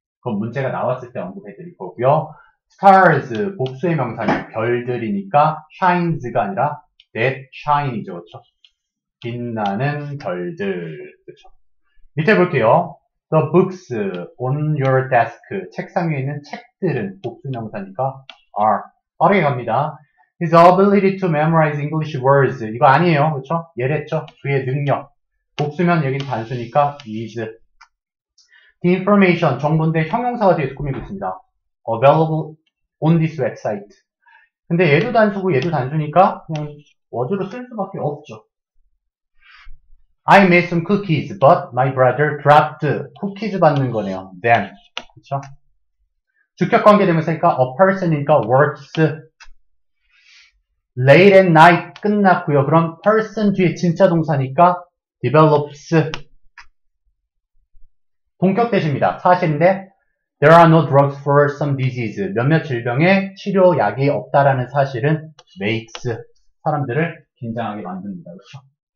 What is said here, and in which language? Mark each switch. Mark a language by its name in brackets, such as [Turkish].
[Korean] 그건 문제가 나왔을 때 언급해 드릴 거고요. Stars, 복수의 명사는 별들이니까 shines가 아니라 [English] that shine [Korean] 이죠, 그렇죠? 빛나는 별들, 그렇죠? 밑에 볼게요. [English] The books on your desk, [Korean] 책상 위에 있는 책들은 복수 명사니까 [English] are. [Korean] 빠르게 갑니다. [English] His ability to memorize English words, [Korean] 이거 아니에요, 그렇죠? 얘랬죠? 그의 능력. 복수면 여긴 단수니까 is. Information, 정보인데 형용사가 뒤에서 꾸미고 있습니다. [English] Available on this website. [Korean] 근데 얘도 단수니까 그냥 워드로 쓸 수밖에 없죠. [English] I made some cookies, but my brother dropped. [Korean] 쿠키즈 받는 거네요. them. 그쵸? 주격 관계대명사니까 a person이니까 works. [English] late at night [Korean] 끝났고요. 그럼 person 뒤에 진짜 동사니까 develops. 동격대시입니다. 사실인데, [English] there are no drugs for some disease. [Korean] 몇몇 질병에 치료약이 없다라는 사실은 makes 사람들을 긴장하게 만듭니다. 그렇죠?